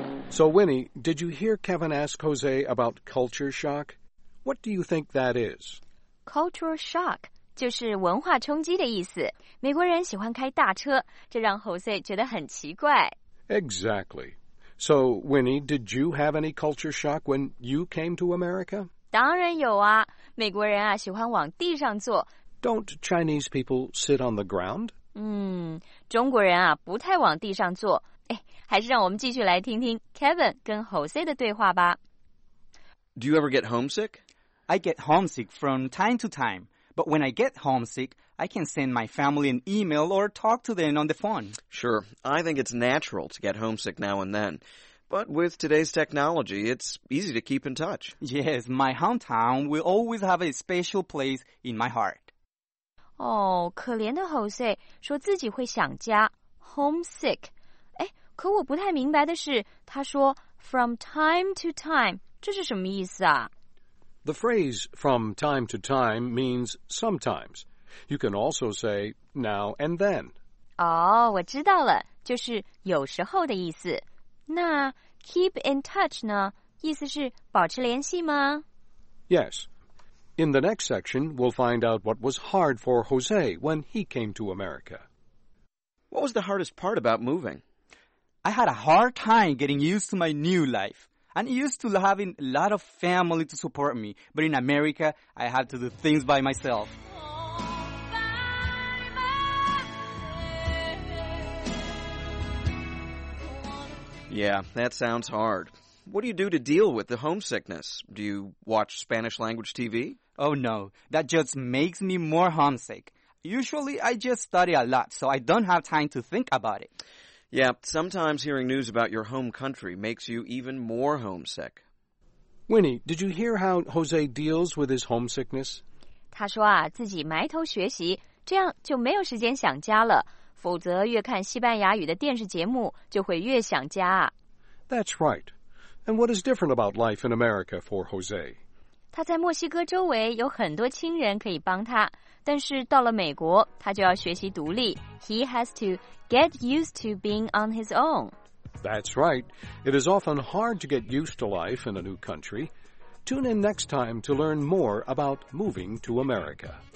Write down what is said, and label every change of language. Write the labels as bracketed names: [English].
[English] So, Winnie, did you hear Kevin ask Jose about culture shock? What do you think that is? [Chinese] Culture shock 就是文化冲击的意思。美国人喜欢开大车，这让 Jose 觉得很奇怪。 [English] Exactly. So, Winnie, did you have any culture shock when you came to America? [Chinese] 当然有啊，美国人啊喜欢往地上坐。 [English] Don't Chinese people sit on the ground? [Chinese] 中国人啊不太往地上坐。哎，还是让我们继续来听听 Kevin 跟 Jose 的对话吧。 [English] Do you ever get homesick? I get homesick from time to time, but when I get homesick... I can send my family an email or talk to them on the phone. Sure, I think it's natural to get homesick now and then. But with today's technology, it's easy to keep in touch. Yes, my hometown will always have a special place in my heart. [Chinese] Oh, 可怜的 Jose, 说自己会想家。 homesick. 哎，可我不太明白的是，他说 from time to time， 这是什么意思啊？ [English] The phrase from time to time means sometimes. You can also say now and then. [Chinese] 哦，我知道了，就是有时候的意思。那 keep in touch 呢？意思是保持联系吗？ [English] Yes. In the next section, we'll find out what was hard for Jose when he came to America. What was the hardest part about moving? I had a hard time getting used to my new life. I'm used to having a lot of family to support me, but in America, I had to do things by myself. Yeah, that sounds hard. What do you do to deal with the homesickness? Do you watch Spanish language TV? Oh no, that just makes me more homesick. Usually I just study a lot, so I don't have time to think about it. Yeah, sometimes hearing news about your home country makes you even more homesick. Winnie, did you hear how Jose deals with his homesickness? [Chinese] 他说啊，自己埋头学习，这样就没有时间想家了。否则越看西班牙语的电视节目，就会越想家。 [English] That's right. And what is different about life in America for Jose? [Chinese] 他在墨西哥周围有很多亲人可以帮他，但是到了美国，他就要学习独立。 [English] He has to get used to being on his own. That's right. It is often hard to get used to life in a new country. Tune in next time to learn more about moving to America.